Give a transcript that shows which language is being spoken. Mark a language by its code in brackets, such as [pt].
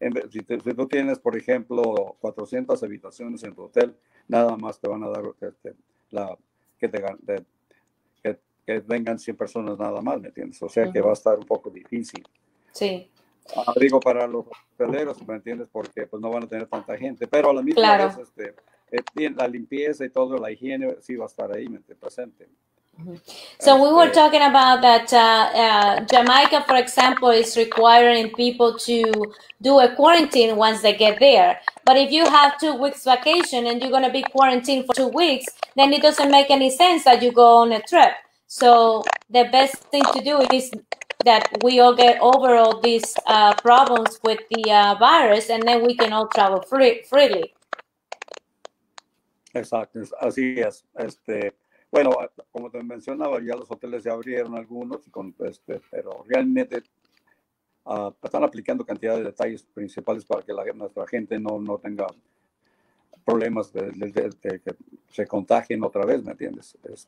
[es] Si tú tienes, por ejemplo, 400 habitaciones en tu hotel, nada más te van a dar que vengan 100 personas nada más, ¿me entiendes? O sea que va a estar un poco difícil. Sí. Digo para los hoteleros, ¿me entiendes? Porque pues no van a tener tanta gente, pero a la misma vez Claro. bien, la limpieza y todo, la higiene sí va a estar ahí, mente presente. [en] So we were talking about that Jamaica, for example, is requiring people to do a quarantine once they get there. But if you have 2 weeks vacation and you're going to be quarantined for 2 weeks, then it doesn't make any sense that you go on a trip. So the best thing to do is that we all get over all these problems with the virus, and then we can all travel freely. [es] Exacto, así es. Bueno, como te mencionaba, ya los hoteles ya abrieron algunos, pero realmente están aplicando cantidad de detalles principales para que nuestra gente no tenga problemas de que se contagien otra vez, ¿me entiendes?